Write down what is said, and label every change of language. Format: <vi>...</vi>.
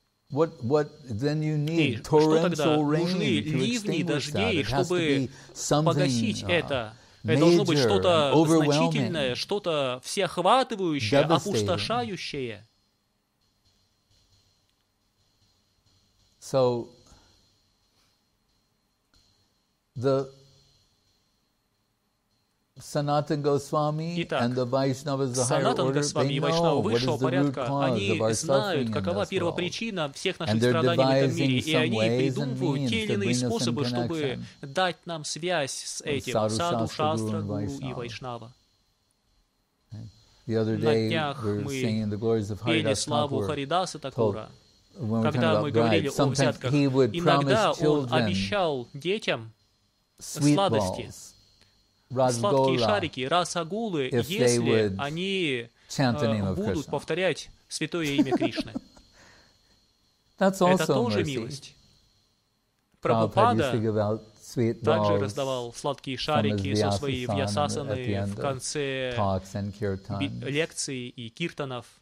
<ru>И что тогда? Нужны ливни и дождей, чтобы погасить это. Это должно быть что-то значительное, что-то всеохватывающее, опустошающее.</ru> <en>So, the Sanatan Goswami and the Vaishnavas, the higher order, they know what is the root cause of our suffering in this world. And they're devising some ways and means to bring us in connection with Sadhu, Shastra, Guru, and Vaishnava. The other day, we were singing the glories of Haridasa Thakur, told, when we were talking about bride, sometimes he would promise children sweet balls.</en> <ru>Сладкие шарики, расагулы, если они будут повторять святое имя Кришны. Это тоже милость. Прабхупада также раздавал сладкие шарики со своей вьясасаны в конце лекций и киртанов.</ru>